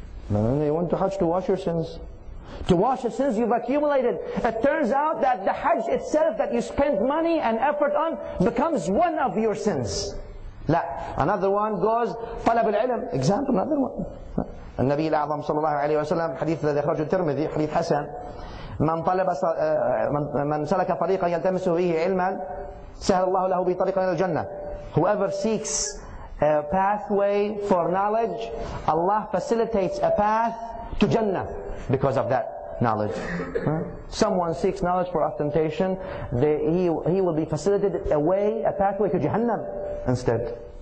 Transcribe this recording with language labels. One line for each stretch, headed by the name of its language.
English: No, you went to Hajj to wash your sins. To wash the sins you've accumulated. It turns out that the Hajj itself that you spent money and effort on becomes one of your sins. La. Another one goes,
Arabic: طلب العلم.
English: Example, another one.
Arabic: النبي الأعظم صلى الله عليه وسلم حديث الذي أخرجه الترمذي حديث حسن من طلب من سلك طريقا يلتمس به علما سهل الله له به طريقا إلى الجنة.
English: Whoever seeks a pathway for knowledge, Allah facilitates a path to Jannah because of that knowledge. Someone seeks knowledge for ostentation, he will be facilitated a way, a pathway to Jahannam instead.